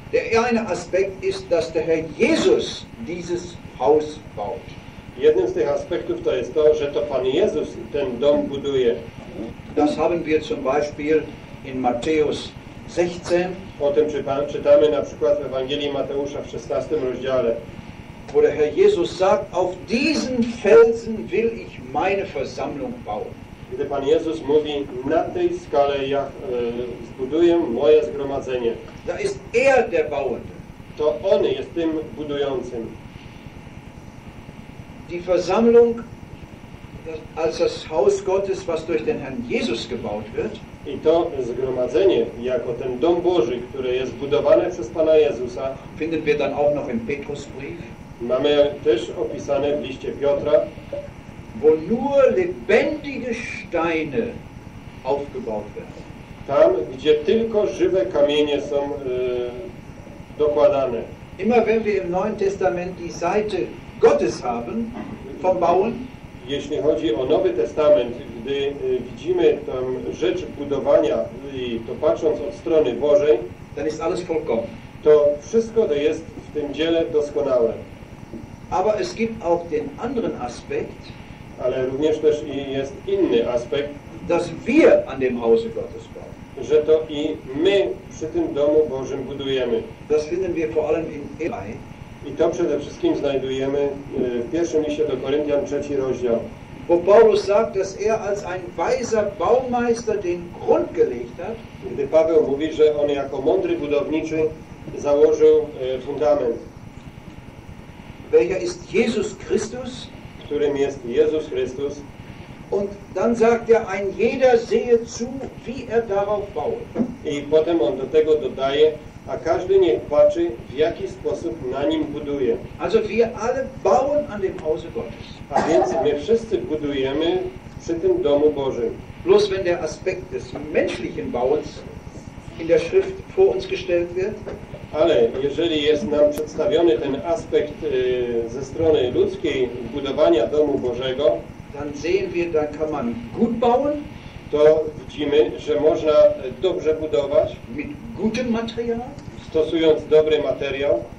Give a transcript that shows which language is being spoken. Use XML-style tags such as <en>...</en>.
<de>Der eine Aspekt ist, dass der Herr Jesus dieses Haus baut.</de> <pl>Jeden z tych aspektów to jest to, że to Pan Jezus ten dom buduje.</pl> <de>Das haben wir zum Beispiel in Matthäus 16.</de> <pl>O tym czytamy na przykład w Ewangelii Mateusza w 16 rozdziale.</pl> <de>Wo der Herr Jesus sagt, auf diesen Felsen will ich meine Versammlung bauen.</de> <pl>Gdy Pan Jezus mówi, na tej skale ja zbuduję moje zgromadzenie.</pl> <de>Da ist er der Bauende.</de> <pl>To On jest tym budującym.</pl> <de>Die Versammlung als das Haus Gottes, was durch den Herrn Jesus gebaut wird.</de> <pl>I to zgromadzenie, jako ten Dom Boży, które jest budowane przez Pana Jezusa.</pl> <de>Finden wir dann auch noch im Petrusbrief.</de> <pl>Mamy też opisane w liście Piotra.</pl> <de>Wo nur lebendige Steine aufgebaut werden.</de> <pl>Tam, gdzie tylko żywe kamienie są dokładane.</pl> <de>Immer wenn wir im Neuen Testament die Seite Gottes haben, vom Bauen.</de> <pl>Jeśli chodzi o Nowy Testament, gdy widzimy tam rzecz budowania i to patrząc od strony Bożej,</pl> <de>dann ist alles vollkommen.</de> <pl>To wszystko to jest w tym dziele doskonałe.</pl> <de>Aber es gibt auch den anderen Aspekt.</de> <pl>Ale również też jest inny aspekt,</pl> <de>dass wir an dem Hause Gottes bauen.</de> <pl>Że to i my przy tym Domu Bożym budujemy.</pl> <de>Das finden wir vor allem in Eli.</de> <pl>I to przede wszystkim znajdujemy w pierwszym liście do Koryntian, trzeci rozdział.</pl> <de>Wo Paulus sagt, dass er als ein weiser Baumeister den Grund gelegt hat.</de> <pl>Gdy Paweł mówi, że on jako mądry budowniczy założył fundament.</pl> <de>Welcher ist Jesus Christus?</de> <pl>Którym jest Jezus Chrystus.</pl> <de>Und dann sagt er, ein jeder sehe zu, wie er darauf baut.</de> <pl>I potem on do tego dodaje, a każdy niech patrzy, w jaki sposób na nim buduje.</pl> <de>Also wir alle bauen an dem Hause Gottes.</de> <pl>A więc my wszyscy budujemy przy tym Domu Bożym.</pl> <de>Bloß wenn der Aspekt des menschlichen Bauens in der Schrift vor uns gestellt wird.</de> <pl>Ale jeżeli jest nam przedstawiony ten aspekt ze strony ludzkiej budowania Domu Bożego,</pl> <de>dann sehen wir, dann kann man gut bauen,</de> <pl>to widzimy, że można dobrze budować</pl> <de>mit gutem Material,</de> <pl>stosując dobry materiał,</pl>